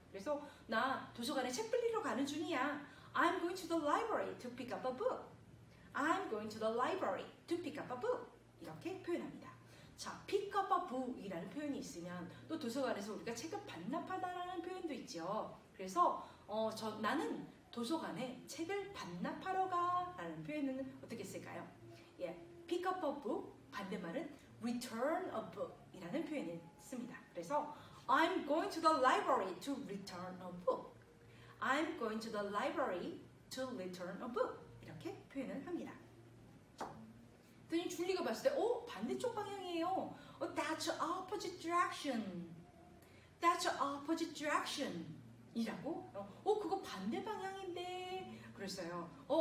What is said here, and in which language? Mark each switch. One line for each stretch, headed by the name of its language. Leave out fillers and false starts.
Korean: 그래서 나 도서관에 책 빌리러 가는 중이야.
English: I'm going to the library to pick up a book. I'm going to the library to pick up a book.
Korean: 이렇게 표현합니다. 자,
English: pick up a book
Korean: 이라는 표현이 있으면 또 도서관에서 우리가 책을 반납하다라는 표현도 있죠. 그래서 나는 도서관에 책을 반납하러 가라는 표현은 어떻게 쓸까요? 예,
English: pick up a book,
Korean: 반대말은
English: return a book
Korean: 이라는 표현을 씁니다.
English: 그래서 I'm going to the library to return a book. I'm going to the library to return a book.
Korean: 이렇게 표현을 합니다. 그랬더니 줄리가 봤을 때 반대쪽 방향이에요.
English: That's opposite direction. That's opposite direction.
Korean: 이라고 그거 반대 방향인데 그랬어요.